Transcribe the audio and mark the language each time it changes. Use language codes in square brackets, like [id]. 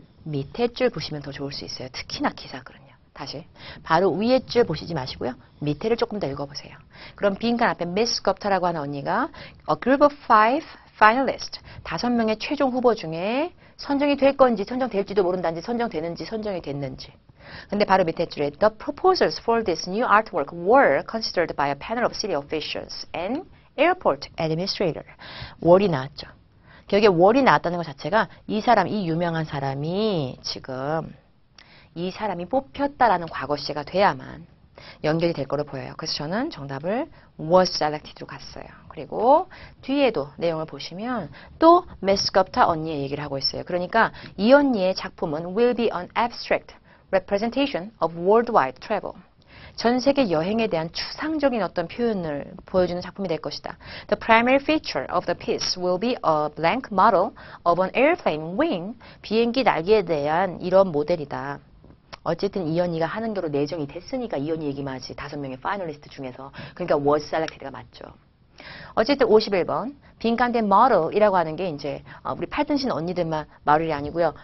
[ko] 밑에 줄 보시면 더 좋을 수 있어요. 특히나 기사글은요. 다시. 바로 위에 줄 보시지 마시고요. 밑에를 조금 더 읽어보세요. 그럼 빈칸 앞에 Miss Scopter라고 하는 언니가 [en] A group of five finalists. [ko] 5명의 최종 후보 중에 선정이 될 건지 선정될지도 모른다는지 선정되는지 선정이 됐는지. 근데 바로 밑에 줄에 [en] The proposals for this new artwork were considered by a panel of city officials and airport administrator. [ko] 월이 나왔죠. 여기에 월이 나왔다는 것 자체가 이 사람, 이 유명한 사람이 지금 이 사람이 뽑혔다라는 과거시제가 돼야만 연결이 될 거로 보여요. 그래서 저는 정답을 [en] was selected [ko] 로 갔어요. 그리고 뒤에도 내용을 보시면 또 Miss Scopter 언니의 얘기를 하고 있어요. 그러니까 이 언니의 작품은 [en] will be an abstract representation of worldwide travel. [ko] 전 세계 여행에 대한 추상적인 어떤 표현을 보여주는 작품이 될 것이다. [en] The primary feature of the piece will be a blank model of an airplane wing. [ko] 비행기 날개에 대한 이런 모델이다. 어쨌든 이 언니가 하는 거로 내정이 됐으니까 이 언니 얘기만 하지. 5명의 파이널리스트 중에서. 그러니까 [en] was selected [ko] 가 맞죠. 어쨌든 51번 빈칸된 model이라고 하는 게 이제 우리 팔등신 언니들만 말이 아니고요.